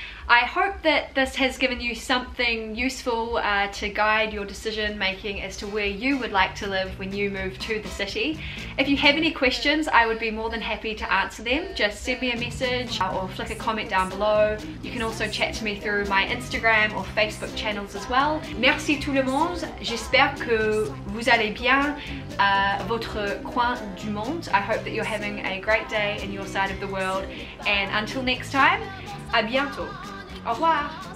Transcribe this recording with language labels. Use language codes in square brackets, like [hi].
[en] I hope that this has given you something useful to guide your decision making as to where you would like to live when you move to the city. If you have any questions, I would be more than happy to answer them. Just send me a message or flick a comment down below. You can also chat to me through my Instagram or Facebook channels as well. [fr] Merci tout le monde. J'espère que vous allez bien à votre coin du monde. [en] I hope that you're having a great day in your side of the world. And until next time, [fr] à bientôt. Au revoir.